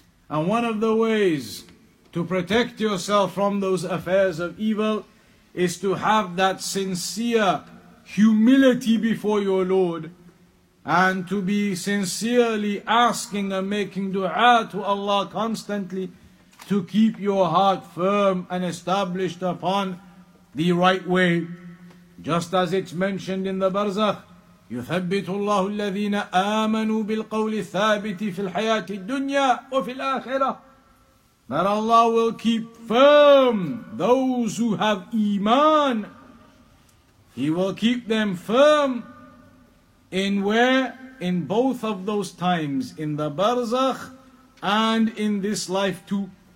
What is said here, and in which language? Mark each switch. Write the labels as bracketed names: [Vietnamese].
[English] and one of the ways to protect yourself from those affairs of evil is to have that sincere humility before your Lord and to be sincerely asking and making dua to Allah constantly to keep your heart firm and established upon the right way. Just as it's mentioned in the Barzakh, [Arabic] يثبت الله الذين آمنوا بالقول الثابت في الحياة الدنيا وفي الآخرة. [English] That Allah will keep firm those who have iman. He will keep them firm in where? In both of those times, in the barzakh and in this life too.